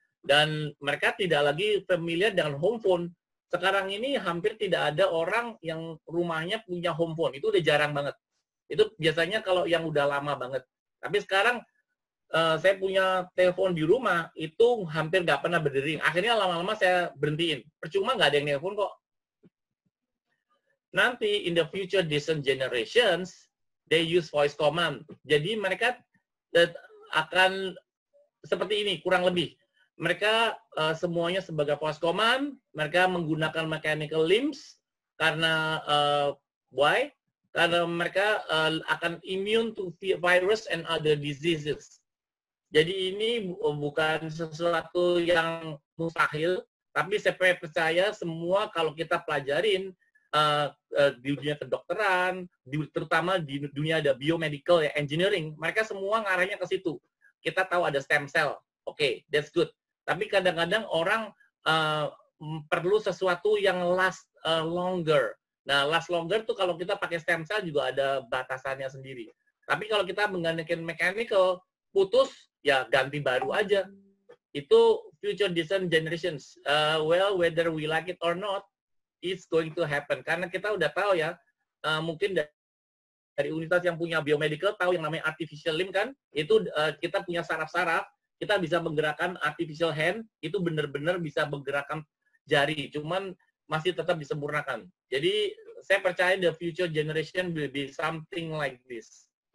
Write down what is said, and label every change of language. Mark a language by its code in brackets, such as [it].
[id] dan mereka tidak lagi familiar dengan home phone. Sekarang ini hampir tidak ada orang yang rumahnya punya home phone. Itu udah jarang banget. Itu biasanya kalau yang udah lama banget. Tapi sekarang saya punya telepon di rumah, itu hampir nggak pernah berdering. Akhirnya lama-lama saya berhentiin. Percuma nggak ada yang telepon kok. Nanti, [en] in the future distant generations, they use voice command. [id] Jadi mereka akan seperti ini, kurang lebih. Mereka semuanya sebagai voice command, mereka menggunakan mechanical limbs, karena [en] why? [id] Karena mereka akan [en] immune to virus and other diseases. [id] Jadi ini bukan sesuatu yang mustahil, tapi saya percaya semua kalau kita pelajarin di dunia kedokteran, terutama di dunia ada biomedical, ya, engineering, mereka semua ngarahnya ke situ. Kita tahu ada stem cell, [en] okay, that's good. [id] Tapi kadang-kadang orang perlu sesuatu yang [en] last longer. [id] Nah, [en] last longer [id] tuh kalau kita pakai stem cell juga ada batasannya sendiri. Tapi kalau kita menggunakan mechanical, putus, ya ganti baru aja. Itu [en] future distant generations. Well, whether we like it or not, it's going to happen. [id] Karena kita udah tahu ya, mungkin dari universitas yang punya biomedical tahu yang namanya artificial limb kan, itu kita punya saraf-saraf, kita bisa menggerakkan artificial hand, itu benar-benar bisa menggerakkan jari, cuman masih tetap disempurnakan. Jadi saya percaya [en] the future generation will be something like this.